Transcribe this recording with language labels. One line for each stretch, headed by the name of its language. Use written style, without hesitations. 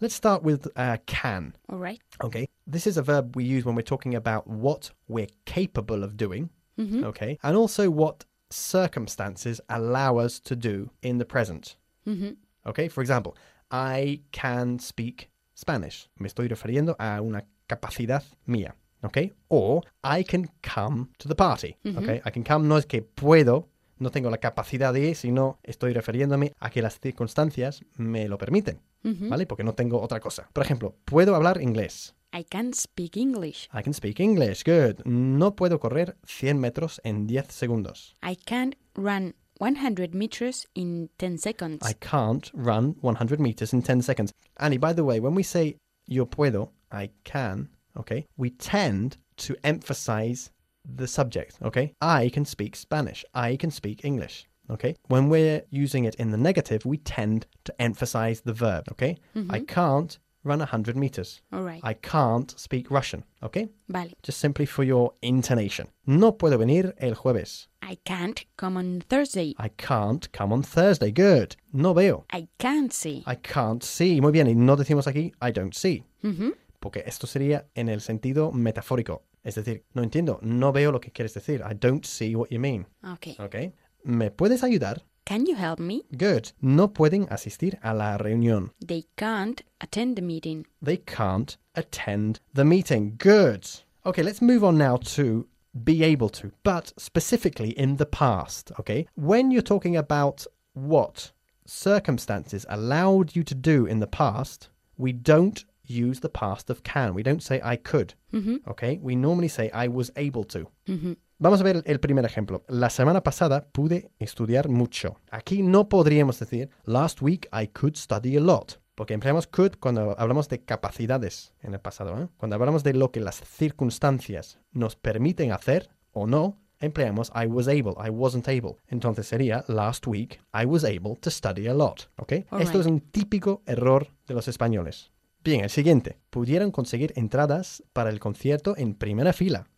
English: Let's start with can. All right. Okay, this is a verb we use when we're talking about what we're capable of doing, mm-hmm. okay? And also what circumstances allow us to do in the present. Mm-hmm. Okay, for example, I can speak Spanish.
Spanish: Me estoy refiriendo a una capacidad mía.
English: Okay, or I can come to the party. Mm-hmm.
Spanish: Okay,
English: I can come,
Spanish: no es que puedo, no tengo la capacidad de ir, sino estoy refiriéndome a que las circunstancias me lo permiten, mm-hmm. ¿vale? Porque no tengo otra cosa. Por ejemplo, ¿puedo hablar inglés?
English: I can speak English. I can speak English, good.
Spanish: No puedo correr 100 metros en 10 segundos.
English: I can't run 100 meters in 10 seconds. I can't run 100 meters in 10 seconds. Annie, by the way, when we say
Spanish: yo puedo,
English: I can, okay, we tend to emphasize the subject, okay? I can speak Spanish. I can speak English, okay? When we're using it in the negative, we tend to emphasize the verb, okay? Mm-hmm. I can't run 100 meters. All right. I can't speak Russian, okay?
Spanish: Vale.
English: Just simply for your intonation.
Spanish: No puedo venir el jueves.
English: I can't come on Thursday. I can't come on Thursday. Good.
Spanish: No veo.
English: I can't see. I can't see.
Spanish: Muy bien. Y no decimos aquí,
English: I don't see. Mm-hmm.
Spanish: Porque esto sería en el sentido metafórico. Es decir, no entiendo, no veo lo que quieres decir.
English: I don't see what you mean. Okay.
Spanish: Okay. ¿Me puedes ayudar?
English: Can you help me? Good.
Spanish: No pueden asistir a la reunión.
English: They can't attend the meeting. They can't attend the meeting. Good. Okay, let's move on now to be able to, but specifically in the past, okay? When you're talking about what circumstances allowed you to do in the past, we don't use the past of can. We don't say I could. Mm-hmm. Okay? We normally say I was able to. Mm-hmm.
Spanish: Vamos a ver el primer ejemplo. La semana pasada pude estudiar mucho. Aquí no podríamos decir
English: last week I could study a lot.
Spanish: Porque empleamos could cuando hablamos de capacidades en el pasado, ¿eh? Cuando hablamos de lo que las circunstancias nos permiten hacer o no, empleamos
English: I was able, I wasn't able.
Spanish: Entonces sería,
English: last week I was able to study a lot. Okay? All
Spanish: Esto
English: right.
Spanish: es un típico error de los españoles. Bien, el siguiente. ¿Pudieron conseguir entradas para el concierto en primera fila?